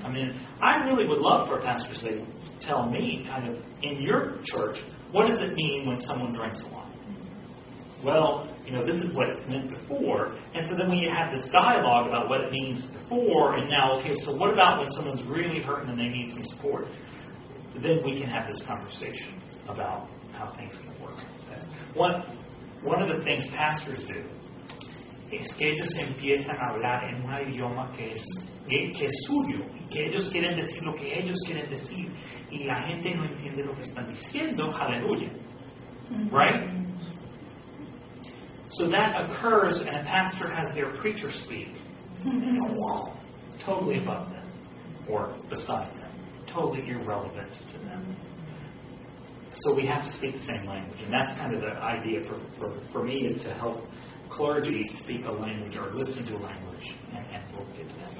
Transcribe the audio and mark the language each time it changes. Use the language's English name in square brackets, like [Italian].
[English] I mean, I really would love for a pastor to say, tell me, kind of, in your church, what does it mean when someone drinks a lot? Well, you know, this is what it's meant before. And so then we have this dialogue about what it means before, and now, okay, so what about when someone's really hurting and they need some support? Then we can have this conversation about how things can work. One of the things pastors do [Spanish] es que ellos empiezan a hablar en un idioma que es suyo, que ellos quieren decir lo que ellos quieren decir, y la gente no entiende lo que están diciendo, hallelujah. [English] Mm-hmm. Right? So that occurs, and a pastor has their preacher speak on a wall, totally above them, or beside them, totally irrelevant to them. So we have to speak the same language, and that's kind of the idea for me, is to help clergy speak a language or listen to a language and we'll get to that.